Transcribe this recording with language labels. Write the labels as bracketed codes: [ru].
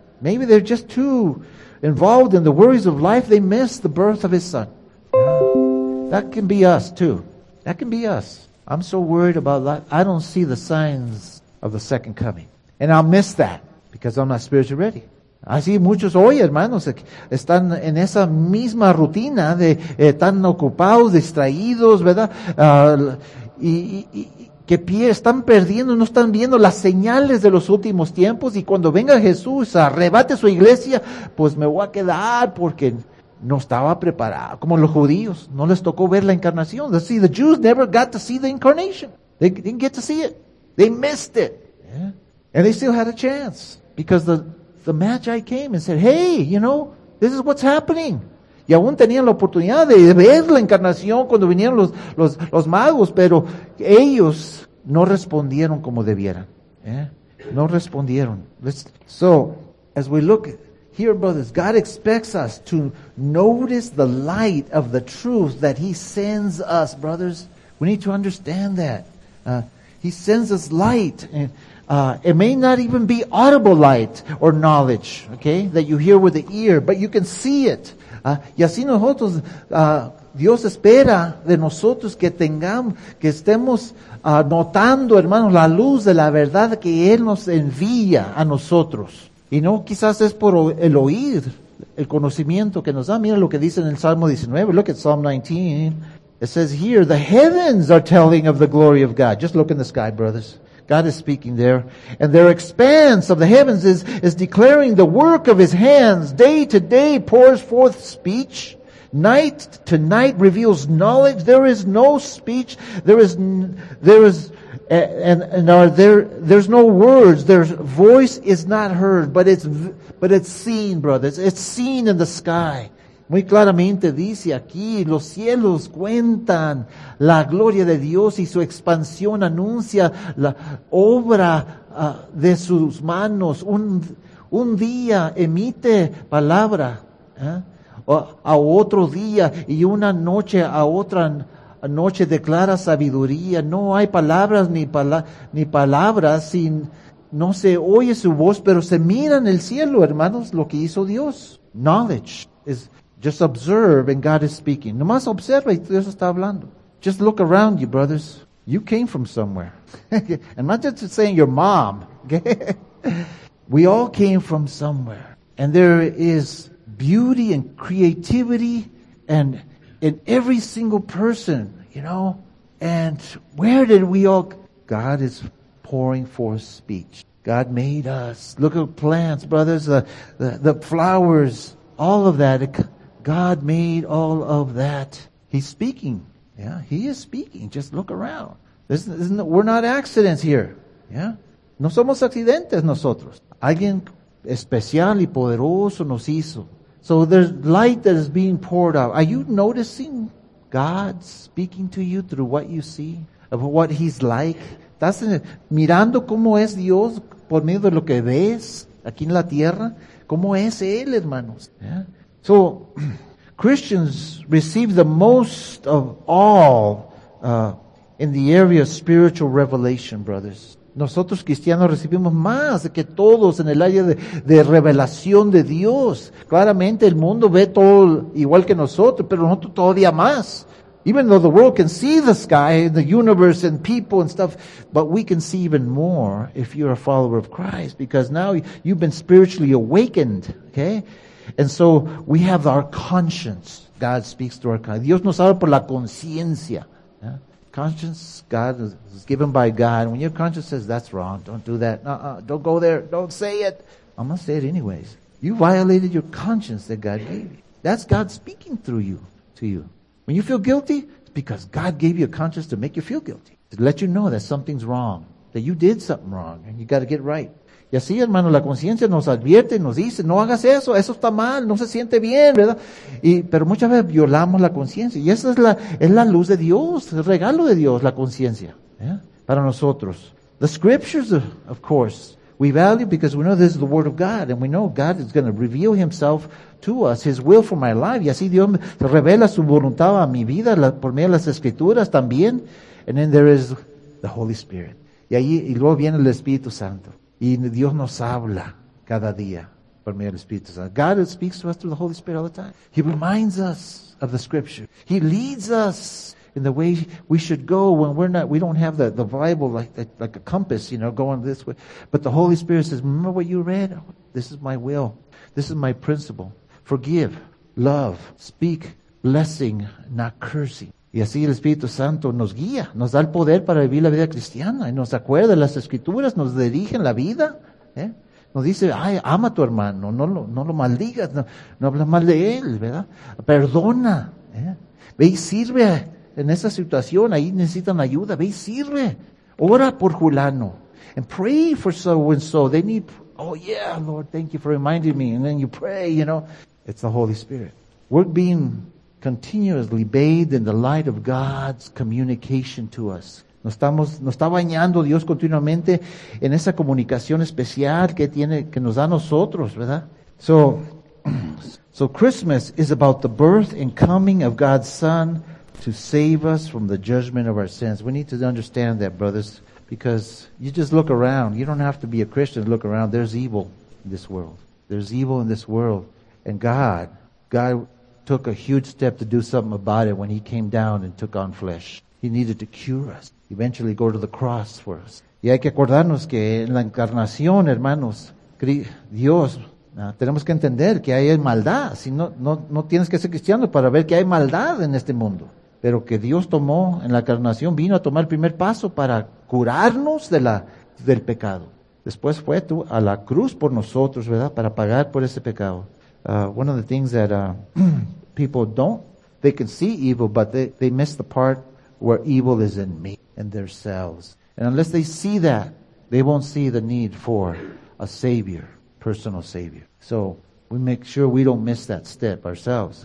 [en] Maybe they're just too involved in the worries of life. They missed the birth of his son. That can be us too. That can be us. I'm so worried about that. I don't see the signs of the second coming. And I'll miss that because I'm not spiritually ready. [es] Así muchos hoy, hermanos, están en esa misma rutina de tan ocupados, distraídos, ¿verdad? Están perdiendo, no están viendo las señales de los últimos tiempos. Y cuando venga Jesús, arrebate su iglesia, pues me voy a quedar porque no estaba preparado. Como los judíos, no les tocó ver la encarnación. [en] See, the Jews never got to see the incarnation. They didn't get to see it. They missed it. And they still had a chance because the Magi came and said, hey, you know, this is what's happening. [es] Y aún tenían la oportunidad de ver la encarnación cuando vinieron los magos, pero ellos no respondieron como debieran. No respondieron. [en] So, as we look here, brothers, God expects us to notice the light of the truth that he sends us, brothers. We need to understand that. He sends us light. It may not even be audible light or knowledge, okay, that you hear with the ear, but you can see it. [es] Y así nosotros, Dios espera de nosotros que tengamos, que estemos notando, hermanos, la luz de la verdad que Él nos envía a nosotros. Y no quizás es por el oír, el conocimiento que nos da. Mira lo que dice en el Salmo 19, [en] look at Psalm 19. It says here, the heavens are telling of the glory of God. Just look in the sky, brothers. God is speaking there. And their expanse of the heavens is declaring the work of his hands. Day to day pours forth speech. Night to night reveals knowledge. There is no speech. There's no words. Their voice is not heard, but it's seen, brothers. It's seen in the sky. [es] Muy claramente dice aquí, los cielos cuentan la gloria de Dios y su expansión anuncia la obra de sus manos. Un día emite palabra a otro día y una noche a otra noche declara sabiduría. No hay palabras ni palabras sin no se oye su voz, pero se mira en el cielo, hermanos, lo que hizo Dios. [en] Knowledge is just observe and God is speaking. [es] Nomás observa y Dios está hablando. [en] Just look around you, brothers. You came from somewhere. And not just saying your mom. We all came from somewhere. And there is beauty and creativity and in every single person, you know. And where did we all... God is pouring forth speech. God made us. Look at plants, brothers. The flowers. All of that. God made all of that. He's speaking. Yeah, he is speaking. Just look around. We're not accidents here. [es] Yeah, no somos accidentes nosotros. Alguien especial y poderoso nos hizo. [en] So there's light that is being poured out. Are you noticing God speaking to you through what you see? Of what he's like? [es] ¿Estás mirando cómo es Dios por medio de lo que ves aquí en la tierra? ¿Cómo es Él, hermanos? Yeah. [en] So, Christians receive the most of all in the area of spiritual revelation, brothers. [es] Nosotros cristianos recibimos más que todos en el área de revelación de Dios. Claramente el mundo ve todo igual que nosotros, pero nosotros todavía más. [en] Even though the world can see the sky and the universe and people and stuff, but we can see even more if you're a follower of Christ because now you've been spiritually awakened, okay? And so we have our conscience. God speaks through our conscience. [es] Dios nos habla por la conciencia. [en] Yeah? Conscience, God is given by God. When your conscience says, that's wrong, don't do that. Don't go there. Don't say it. I'm going to say it anyways. You violated your conscience that God gave you. That's God speaking through you. to you. When you feel guilty, it's because God gave you a conscience to make you feel guilty, to let you know that something's wrong, that you did something wrong, and you got to get right. [es] Y así, hermano, la conciencia nos advierte, nos dice, no hagas eso, eso está mal, no se siente bien, ¿verdad? Y, pero muchas veces violamos la conciencia, y esa es la luz de Dios, el regalo de Dios, la conciencia, ¿eh? Para nosotros. [en] The scriptures, of course, we value because we know this is the word of God, and we know God is going to reveal himself to us, his will for my life, [es] y así Dios revela su voluntad a mi vida, por medio de las escrituras también, [en] and then there is the Holy Spirit. [es] Y ahí, y luego viene el Espíritu Santo. Y Dios nos habla cada día por medio del Espíritu Santo. [en] God speaks to us through the Holy Spirit all the time. He reminds us of the Scripture. He leads us in the way we should go when we're not, we don't have the Bible like a compass, you know, going this way. But the Holy Spirit says, remember what you read? This is my will. This is my principle. Forgive, love, speak, blessing, not cursing. [es] Y así el Espíritu Santo nos guía, nos da el poder para vivir la vida cristiana, y nos acuerda las Escrituras, nos dirigen la vida, ¿eh? Nos dice, ay, ama a tu hermano, no lo maldigas, no hablas mal de él, ¿verdad? Perdona, ¿eh? Ve y sirve en esa situación, ahí necesitan ayuda, ve y sirve, ora por fulano, [en] and pray for so and so, they need, oh yeah, Lord, thank you for reminding me, and then you pray, you know, it's the Holy Spirit. We're being continuously bathed in the light of God's communication to us. [es] Nos está bañando Dios continuamente en esa comunicación especial que tiene, que nos da a nosotros, ¿verdad? [en] So Christmas is about the birth and coming of God's Son to save us from the judgment of our sins. We need to understand that, brothers, because you just look around. You don't have to be a Christian to look around. There's evil in this world. There's evil in this world. And God took a huge step to do something about it when he came down and took on flesh. He needed to cure us, eventually go to the cross for us. [es] Y hay que acordarnos que en la encarnación, hermanos, Dios, tenemos que entender que hay maldad. Si no tienes que ser cristiano para ver que hay maldad en este mundo. Pero que Dios tomó en la encarnación, vino a tomar el primer paso para curarnos del pecado. Después fue a la cruz por nosotros, ¿verdad? Para pagar por ese pecado. [en] One of the things that people don't, they can see evil, but they miss the part where evil is in me and their selves. And unless they see that, they won't see the need for a Savior, personal Savior. So we make sure we don't miss that step ourselves.